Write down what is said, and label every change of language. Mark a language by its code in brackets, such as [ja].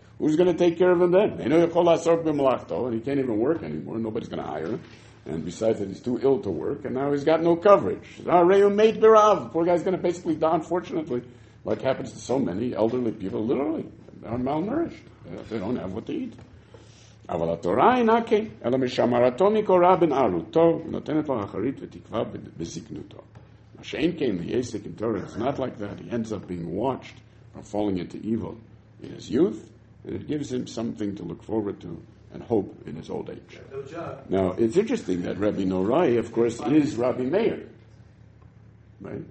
[en] Who's going to take care of him then? They know [he] yechol asor b'malachto, [en] and he can't even work anymore. Nobody's going to hire him. And besides that, he's too ill to work, and now he's got no coverage. [he] Arayu meit b'rav. [en] Poor guy's going to basically die, unfortunately, like happens to so many elderly people. Literally, they're malnourished. They don't have what to eat. [he] אבל התורה אינה כן, אלא משמרתו מקורה בנערותו, ונותנת לו אחרית ותקווה בזקנותו. מה שאין כן, [en] the Isaac in Torah, it's not like that. He ends up being watched from falling into evil in his youth, and it gives him something to look forward to and hope in his old age. Now, it's interesting that Rabbi Norai, of course, is Rabbi Meir. Right?